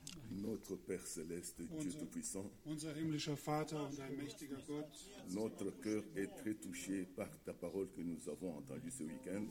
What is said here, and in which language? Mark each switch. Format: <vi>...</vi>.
<fr>Notre Père céleste, Dieu tout-puissant.</fr> <de>Unser himmlischer Vater und allmächtiger Gott.</de> <fr>Notre cœur est très touché par ta parole que nous avons entendue ce weekend.</fr>